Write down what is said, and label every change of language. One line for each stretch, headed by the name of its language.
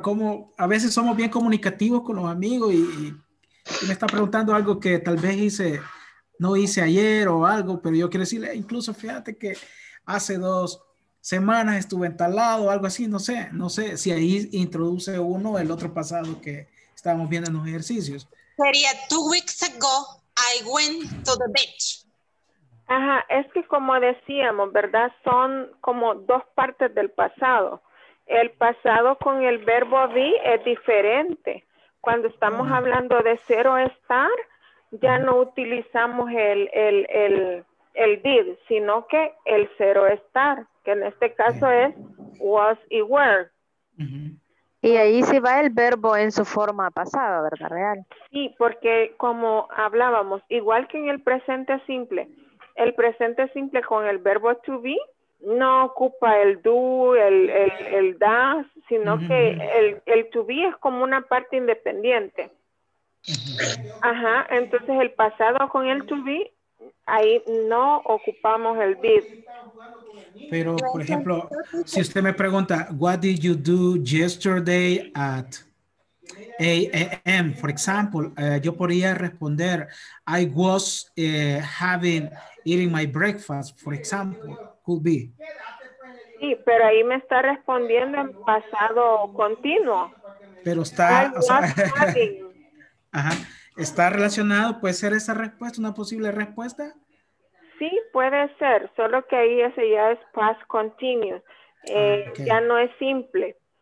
Spanish: Como a veces somos bien comunicativos con los amigos y me está preguntando algo que tal vez no hice ayer o algo, pero yo quiero decirle, incluso fíjate que hace 2 semanas estuve en tal lado o algo así, no sé si ahí introduce uno el otro pasado que estábamos viendo en los ejercicios. Sería
English: 2 weeks ago, I went to the beach.
Spanish: Ajá, es que como decíamos, ¿verdad? Son como 2 partes del pasado. El pasado con el verbo be es diferente. Cuando estamos hablando de ser o estar, ya no utilizamos el did, sino que el ser o estar, que en este caso es was y were. Y ahí sí va el verbo en su forma pasada, ¿verdad? Real. Sí, porque como hablábamos, igual que en el presente simple, el presente simple con el verbo to be no ocupa el do, el does, sino que el to be es como una parte independiente. Ajá, entonces el pasado con el to be, ahí no ocupamos el did. Pero, por ejemplo, si usted me pregunta,
English: what did you do yesterday at 8 a.m., for example,
Spanish: yo podría responder,
English: I was eating my breakfast, for example, could be.
Spanish: Sí, pero ahí me está respondiendo en pasado continuo. Pero está, o sea, ajá, está relacionado, puede ser esa respuesta, una posible respuesta. Sí, puede ser, solo que ahí ese ya es past continuous, ya no es simple.